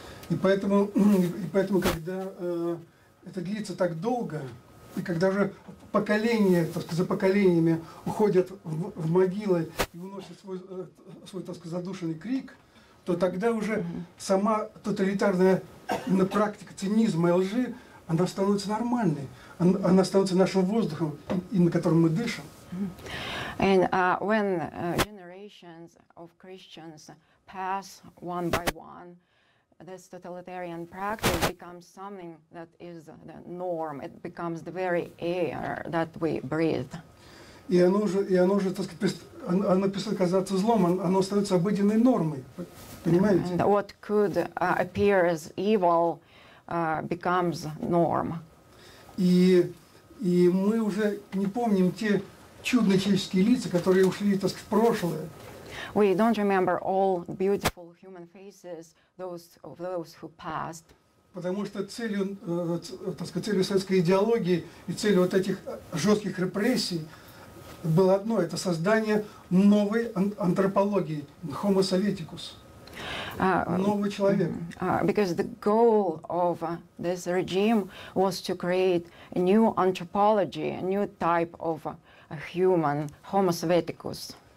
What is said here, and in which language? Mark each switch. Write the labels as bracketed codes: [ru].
[ru] И поэтому, когда это длится так долго, и когда же поколения, так сказать, за поколениями уходят в могилы и уносят свой, так сказать, задушенный крик, то тогда уже сама тоталитарная практика цинизма и лжи, она становится нормальной, она становится нашим воздухом, на котором мы дышим. [en] And when generations of Christians pass one by one, this totalitarian practice becomes something that is the norm. It becomes the very air that we breathe. [ru] И оно уже, так сказать, оно перестает казаться злом, оно становится обыденной нормой. Понимаете? [en] And what could appear as evil becomes norm. [ru] И мы уже не помним те чудные человеческие лица, которые ушли, так сказать, в прошлое. [en] We don't remember all beautiful human faces, those who passed. [ru] Потому что целью, так сказать, целью советской идеологии и целью вот этих жестких репрессий было одно – это создание новой антропологии, Homo Sovieticus, нового человека. [en] Because the goal of this regime was to create a new anthropology, a new type of a human, Homo Sovieticus.